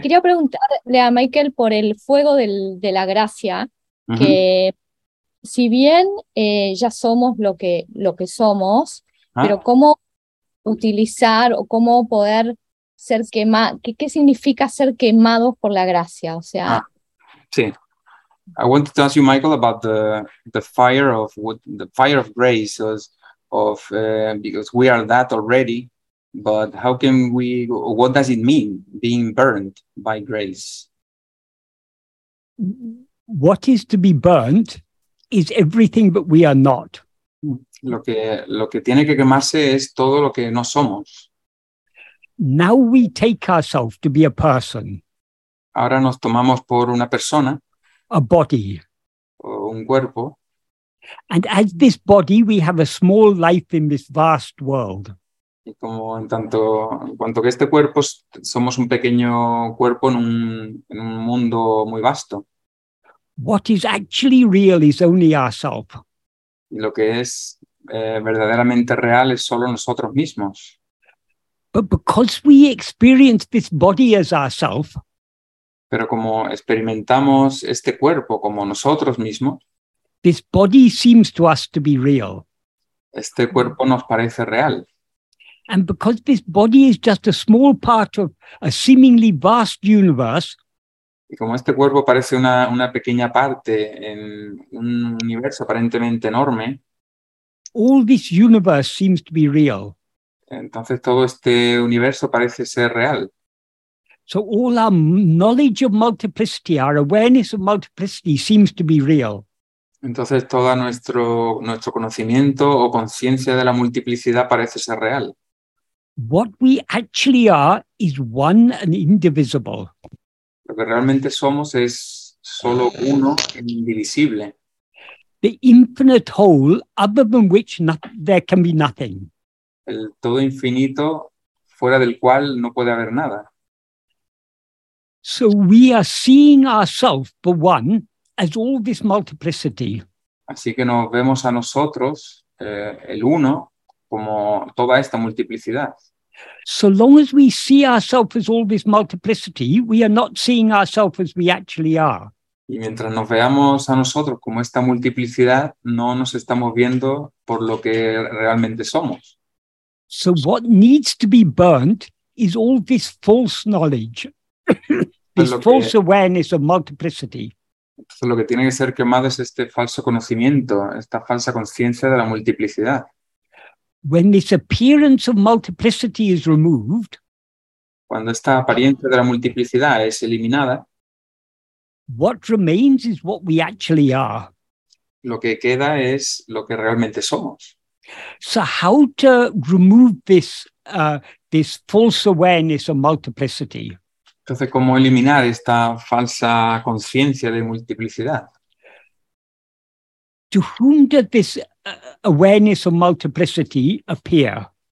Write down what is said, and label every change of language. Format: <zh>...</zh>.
<es>Quería preguntarle a Michael por el fuego de la gracia. Que si bien ya somos lo que somos, pero cómo utilizar o cómo poder ser quemados, ¿qué significa ser quemados por la gracia? O sea, sí.</es> <en>I wanted to ask you, Michael, about the fire of grace, because we are that already, but how can we, what does it mean being burned by grace? What is to be burnt is everything that we are not.</en> <es>Lo que tiene que quemarse es todo lo que no somos.</es> <en>Now we take ourselves to be a person.</en> <es>Ahora nos tomamos por una persona.</es> <en>A body.</en> <es>O un cuerpo.</es> <en>And as this body, we have a small life in this vast world.</en> <es>Y como en cuanto que este cuerpo, somos un pequeño cuerpo en un mundo muy vasto.</es> <en>What is actually real is only ourself.</en> <es>Y lo que es verdaderamente real es solo nosotros mismos.</es> <en>But because we experience this body as ourself,</en> <es>pero como experimentamos este cuerpo como nosotros mismos,</es> <en>this body seems to us to be real.</en> <es>Este cuerpo nos parece real.</es> <en>And because this body is just a small part of a seemingly vast universe,</en> <es>y como este cuerpo parece una pequeña parte en un universo aparentemente enorme,</es> <en>all this universe seems to be real.</en> <es>Entonces todo este universo parece ser real.</es> <en>So all our knowledge of multiplicity, our awareness of multiplicity seems to be real.</en> <es>Entonces todo nuestro conocimiento o conciencia de la multiplicidad parece ser real.</es> <en>What we actually are is one and indivisible.</en> <es>Lo que realmente somos es solo uno e indivisible.</es> <en>The infinite whole, other than which there can be nothing.</en> <es>El todo infinito, fuera del cual no puede haber nada.</es> <en>So we are seeing ourselves, the one, as all this multiplicity.</en> <es>Así que nos vemos a nosotros, el uno, como toda esta multiplicidad.</es> <en>So long as we see ourselves as all this multiplicity, we are not seeing ourselves as we actually are.</en> <es>Y mientras nos veamos a nosotros como esta multiplicidad, no nos estamos viendo por lo que realmente somos.</es> <en>So what needs to be burnt is all this false knowledge, this false awareness of multiplicity.</en> <es>Lo que tiene que ser quemado es este falso conocimiento, esta falsa conciencia de la multiplicidad.</es> <en>When this appearance of multiplicity is removed,</en> <es>cuando esta apariencia de la multiplicidad es eliminada,</es> <en>what remains is what we actually are.</en> <es>Lo que queda es lo que realmente somos.</es> <en>So how to remove this this false awareness of multiplicity?</en> <es>Entonces, ¿cómo eliminar esta falsa conciencia de multiplicidad?</es> <en>To whom does this awareness of multiplicity appear?</en>